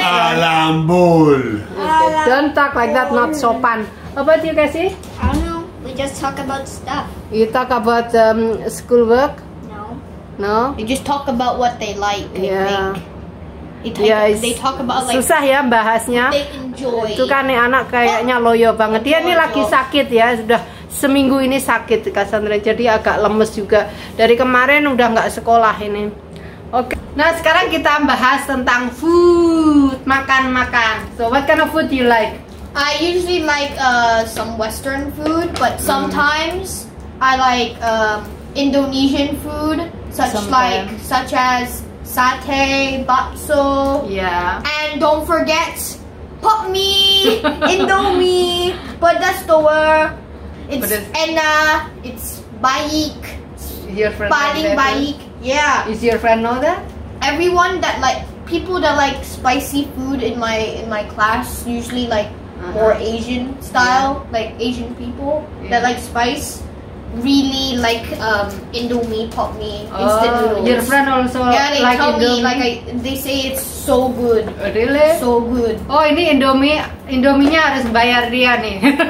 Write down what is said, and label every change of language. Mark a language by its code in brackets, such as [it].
[en] Alambul. Don't talk like that, not sopan. About you, Cassie? I don't know, we just talk about stuff. You talk about schoolwork? No. No? You just talk about what they like, I think. [id] Susah ya bahasnya. Itu kan nih anak kayaknya loyo banget. Dia ini lagi sakit ya, sudah seminggu ini sakit Cassandra. Jadi agak lemes juga. Dari kemarin udah enggak sekolah ini. Oke. Nah, sekarang kita bahas tentang food, makan-makan. [en] So, what kind of food do you like? I usually like some western food, but sometimes I like Indonesian food such as satay, bakso, and don't forget pop mie, indomie, but that's the word. It's enna, it's baik, [id] paling baik. [en] Is your friend know that? Everyone that like, people that like spicy food in my class, usually like more Asian style, like Asian people that like spice. Really like indomie, pop mie, instant noodles. Your friend also like Yeah, they tell me they say it's so good. Really? So good. [id] Oh, ini indominya harus bayar dia nih.